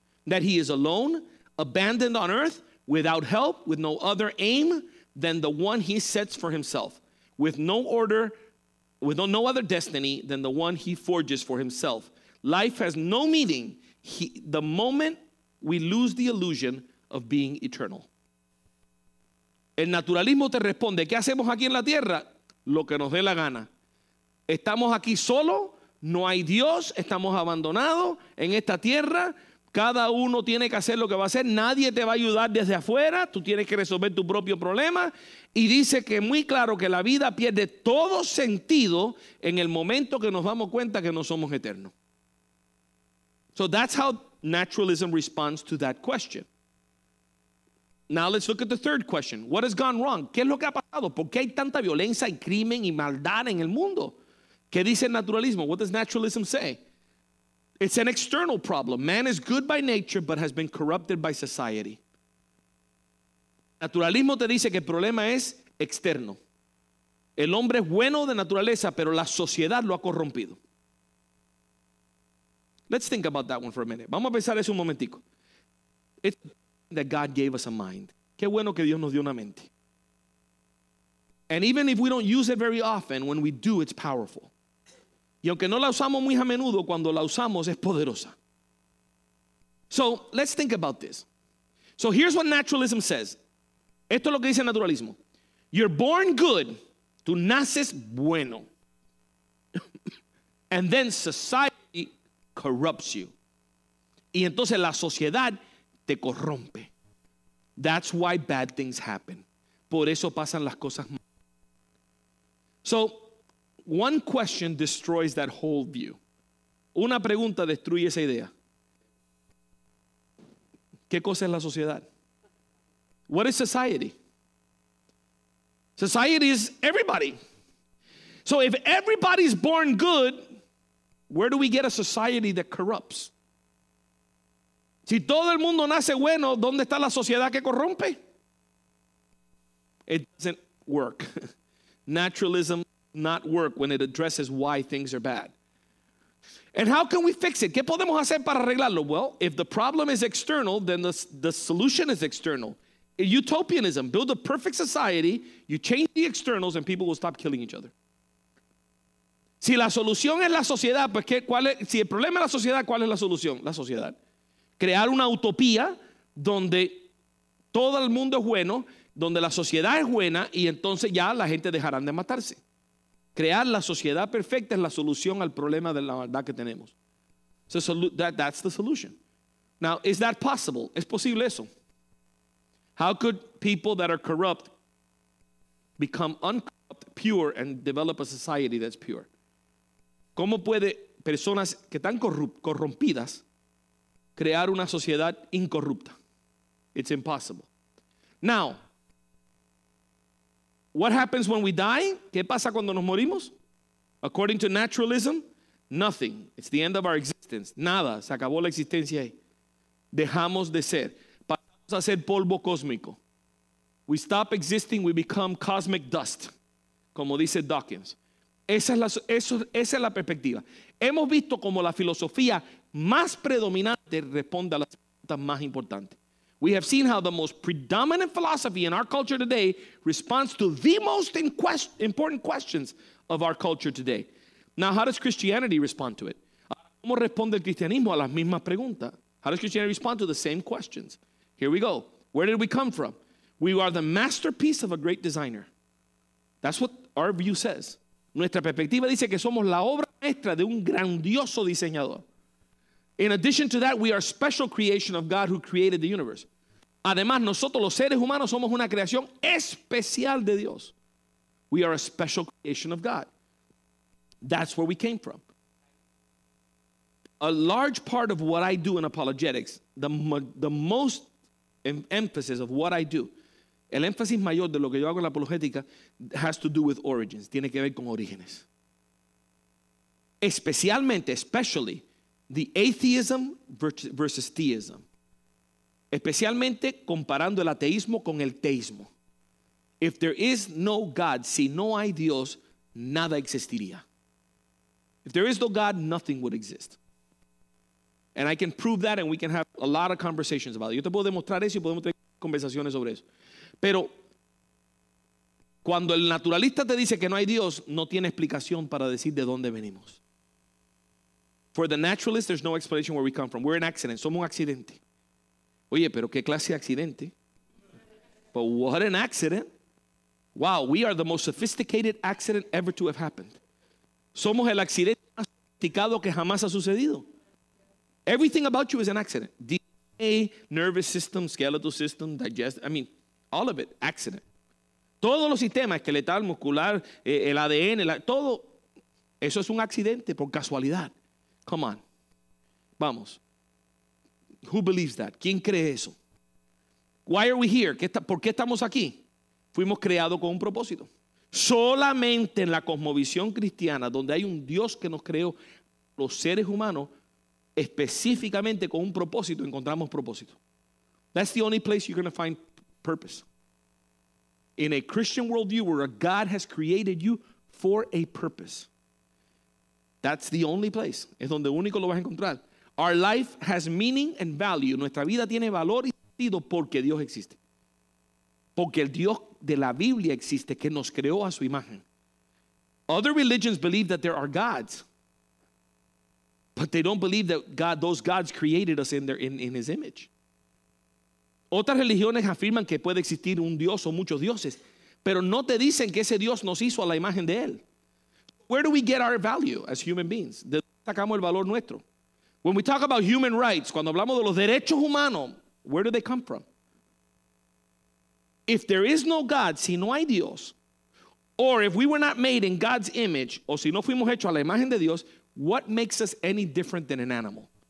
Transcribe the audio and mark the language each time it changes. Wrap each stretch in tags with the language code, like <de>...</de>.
<en>That he is alone, abandoned on earth, without help, with no other aim than the one he sets for himself. With no order, with no other destiny than the one he forges for himself. Life has no meaning. The moment we lose the illusion of being eternal.</en> <es>El naturalismo te responde, ¿qué hacemos aquí en la tierra? Lo que nos dé la gana. Estamos aquí solo, no hay Dios, estamos abandonados en esta tierra. Cada uno tiene que hacer lo que va a hacer. Nadie te va a ayudar desde afuera. Tú tienes que resolver tu propio problema. Y dice que muy claro que la vida pierde todo sentido en el momento que nos damos cuenta que no somos eternos.</es> <en>So that's how naturalism responds to that question. Now let's look at the third question. What has gone wrong?</en> <es>¿Qué es lo que ha pasado? ¿Por qué hay tanta violencia y crimen y maldad en el mundo? ¿Qué dice el naturalismo?</es> <en>What does naturalism say? It's an external problem. Man is good by nature, but has been corrupted by society.</en> <es>Naturalismo te dice que el problema es externo. El hombre es bueno de naturaleza, pero la sociedad lo ha corrompido.</es> <en>Let's think about that one for a minute.</en> <es>Vamos a pensar eso un momentico.</es> <en>It's that God gave us a mind.</en> <es>Qué bueno que Dios nos dio una mente.</es> <en>And even if we don't use it very often, when we do, it's powerful.</en> <es>Y aunque no la usamos muy a menudo, cuando la usamos es poderosa.</es> <en>So, let's think about this. So, here's what naturalism says.</en> <es>Esto es lo que dice el naturalismo.</es> <en>You're born good.</en> <es>Tú naces bueno.</es> <en>And then society corrupts you.</en> <es>Y entonces la sociedad te corrompe.</es> <en>That's why bad things happen.</en> <es>Por eso pasan las cosas malas.</es> <en>So, one question destroys that whole view.</en> <es>Una pregunta destruye esa idea. ¿Qué cosa es la sociedad?</es> <en>What is society? Society is everybody. So if everybody's born good, where do we get a society that corrupts?</en> <es>Si todo el mundo nace bueno, ¿dónde está la sociedad que corrompe?</es> <en>It doesn't work. Naturalism not work when it addresses why things are bad. And how can we fix it?</en> <es>¿Qué podemos hacer para arreglarlo?</es> <en>Well, if the problem is external, then the solution is external. Utopianism, build a perfect society, you change the externals and people will stop killing each other.</en> <es>Si la solución es la sociedad, pues ¿qué, cuál es? Si el problema es la sociedad, ¿cuál es la solución? La sociedad. Crear una utopía donde todo el mundo es bueno, donde la sociedad es buena y entonces ya la gente dejarán de matarse. Crear la sociedad perfecta es la solución al problema de la maldad que tenemos.</es> <en>So that's the solution. Now, is that possible?</en> <es>¿Es posible eso?</es> <en>How could people that are corrupt become uncorrupt, pure, and develop a society that's pure?</en> <es>¿Cómo puede personas que están corrompidas crear una sociedad incorrupta?</es> <en>It's impossible. Now, what happens when we die?</en> <es>¿Qué pasa cuando nos morimos?</es> <en>According to naturalism, nothing. It's the end of our existence.</en> <es>Nada. Se acabó la existencia ahí. Dejamos de ser. Pasamos a ser polvo cósmico.</es> <en>We stop existing, we become cosmic dust,</en> <es>como dice Dawkins. Esa es la perspectiva. Hemos visto cómo la filosofía más predominante responde a las preguntas más importantes.</es> <en>We have seen how the most predominant philosophy in our culture today responds to the most important questions of our culture today. Now, how does Christianity respond to it?</en> <es>¿Cómo responde el cristianismo a las mismas preguntas?</es> <en>How does Christianity respond to the same questions? Here we go. Where did we come from? We are the masterpiece of a great designer. That's what our view says.</en> <es>Nuestra perspectiva dice que somos la obra maestra de un grandioso diseñador.</es> <en>In addition to that, we are special creation of God who created the universe.</en> <es>Además, nosotros los seres humanos somos una creación especial de Dios.</es> <en>We are a special creation of God. That's where we came from. A large part of what I do in apologetics, the most emphasis of what I do,</en> <es>el énfasis mayor de lo que yo hago en la apologética</es> <en>has to do with origins,</en> <es>tiene que ver con orígenes.</es> <en>Especially, the atheism versus theism.</en> <es>Especialmente comparando el ateísmo con el teísmo.</es> <en>If there is no God,</en> <es>si no hay Dios, nada existiría.</es> <en>If there is no God, nothing would exist. And I can prove that and we can have a lot of conversations about it.</en> <es>Yo te puedo demostrar eso y podemos tener conversaciones sobre eso. Pero cuando el naturalista te dice que no hay Dios, no tiene explicación para decir de dónde venimos.</es> <en>For the naturalist, there's no explanation where we come from. We're an accident.</en> <es>Somos un accidente. Oye, pero qué clase de accidente.</es> <en>But what an accident. Wow, we are the most sophisticated accident ever to have happened.</en> <es>Somos el accidente más sofisticado que jamás ha sucedido.</es> <en>Everything about you is an accident. DNA, nervous system, skeletal system, digest. I mean, all of it, accident.</en> <es>Todos los sistemas, esqueletal, muscular, el ADN, todo. Eso es un accidente por casualidad.</es> <en>Come on.</en> <es>Vamos.</es> <en>Who believes that?</en> <es>¿Quién cree eso?</es> <en>Why are we here?</en> <es>¿Por qué estamos aquí? Fuimos creados con un propósito. Solamente en la cosmovisión cristiana, donde hay un Dios que nos creó los seres humanos específicamente con un propósito, encontramos propósito.</es> <en>That's the only place you're going to find purpose. In a Christian worldview where a God has created you for a purpose. That's the only place.</en> <es>Es donde único lo vas a encontrar.</es> <en>Our life has meaning and value.</en> <es>Nuestra vida tiene valor y sentido porque Dios existe. Porque el Dios de la Biblia existe, que nos creó a su imagen.</es> <en>Other religions believe that there are gods, but they don't believe that God, those gods created us in his image.</en> <es>Otras religiones afirman que puede existir un Dios o muchos dioses, pero no te dicen que ese Dios nos hizo a la imagen de él.</es> <en>Where do we get our value as human beings?</en> <es>¿De dónde sacamos el valor nuestro?</es> <en>When we talk about human rights,</en> <es>cuando hablamos de los derechos humanos,</es> <en>where do they come from? If there is no God,</en> <es>si no hay Dios,</es> <en>or if we were not made in God's image,</en> <es>o si no fuimos hechos a la imagen de Dios,</es> <en>what makes us any different than an animal?</en>